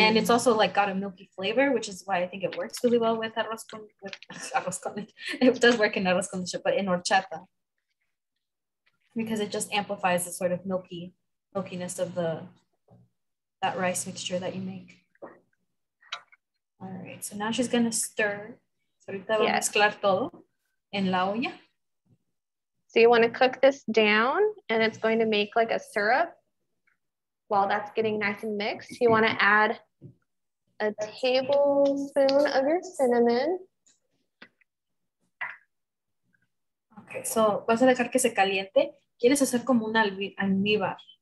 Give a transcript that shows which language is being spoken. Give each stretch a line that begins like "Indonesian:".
English: And it's also like got a milky flavor, which is why I think it works really well with arroz con leche. It does work in arroz con leche, but in horchata. Because it just amplifies the sort of milkiness of the that rice mixture that you make. All right, so now she's gonna stir.
Spanish: So ahorita va a mezclar todo en la olla.
English: So you wanna cook this down and it's going to make like a syrup. While that's getting nice and mixed, you wanna add 1 tablespoon of your cinnamon.
Spanish: Okay, so vas a dejar que se caliente. Quieres hacer como un almíbar.